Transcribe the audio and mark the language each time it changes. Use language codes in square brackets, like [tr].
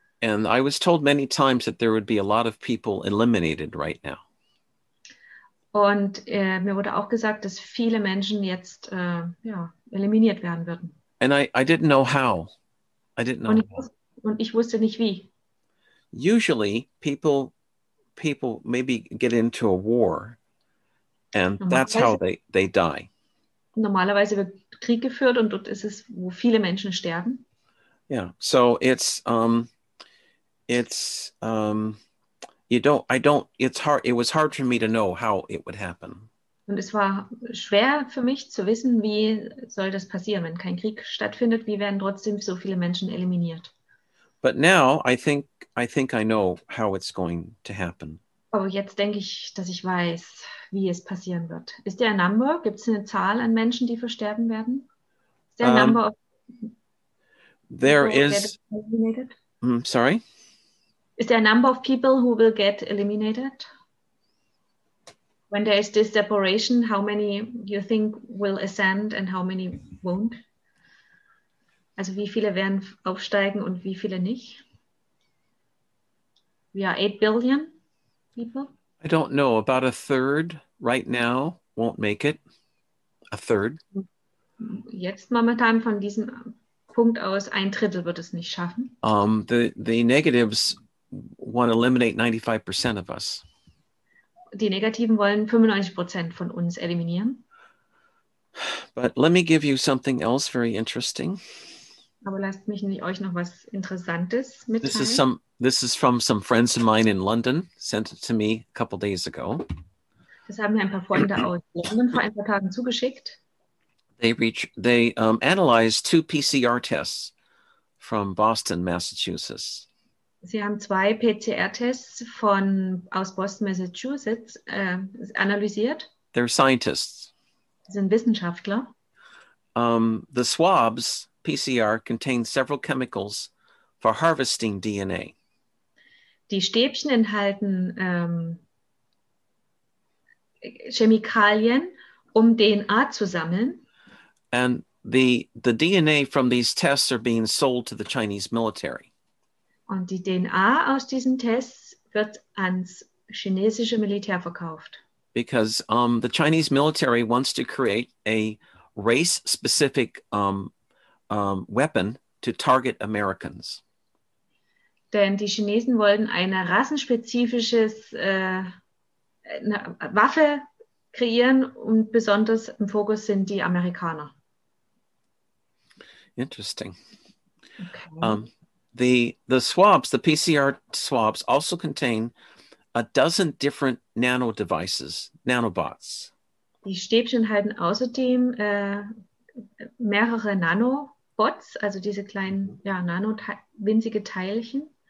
[en] And I was told many times that there would be a lot of people eliminated right now. [de] Und mir wurde auch gesagt, dass viele Menschen jetzt eliminiert werden würden. [en] And I didn't know how. I didn't know. [de] Und ich wusste nicht wie. [en] Usually people maybe get into a war and that's how they die. [de] Normalerweise wird Krieg geführt und dort ist es, wo viele Menschen sterben. [en] Yeah, so it was hard for me to know how it would happen. [de] Und es war schwer für mich zu wissen, wie soll das passieren, wenn kein Krieg stattfindet, wie werden trotzdem so viele Menschen eliminiert? [en] But now I think I know how it's going to happen. [de] Aber jetzt denke ich, dass ich weiß, wie es passieren wird. [en] Ist there a number? [de] Gibt es eine Zahl an Menschen, die versterben werden? [en] Is there a number of there people is who will get eliminated? Sorry? Is there a number of people who will get eliminated? When there is this separation, how many you think will ascend and how many won't? [de] Also wie viele werden aufsteigen und wie viele nicht? [en] We are 8 billion people. I don't know. About a third right now won't make it. A third. [de] Jetzt momentan von diesem Punkt aus, ein Drittel wird es nicht schaffen. [en] The negatives want to eliminate 95% of us. [de] Die Negativen wollen 95% von uns eliminieren. [en] But let me give you something else very interesting. [de] Aber lasst mich euch noch was Interessantes mitteilen. [en] This is from some friends of mine in London, sent it to me a couple days ago. [de] Das haben mir ein paar Freunde aus London vor ein paar Tagen zugeschickt. [en] They analyzed 2 PCR tests from Boston, Massachusetts. [de] Sie haben 2 PCR-Tests aus Boston, Massachusetts analysiert. [en] They're scientists. [de] Sie sind Wissenschaftler. [en] The swabs, PCR, contain several chemicals for harvesting DNA. [de] Die Stäbchen enthalten Chemikalien, um DNA zu sammeln. [en] And the DNA from these tests are being sold to the Chinese military. [de] Und die DNA aus diesen Tests wird ans chinesische Militär verkauft. [en] Because the Chinese military wants to create a race-specific weapon to target Americans. [de] Denn die Chinesen wollen eine rassenspezifisches Waffe kreieren und besonders im Fokus sind die Amerikaner. [en] Interesting. Okay. The swabs, the PCR swabs, also contain a dozen different nano devices, nanobots. [de] Die Stäbchen halten außerdem mehrere Nanobots, also diese kleinen, winzige Teilchen.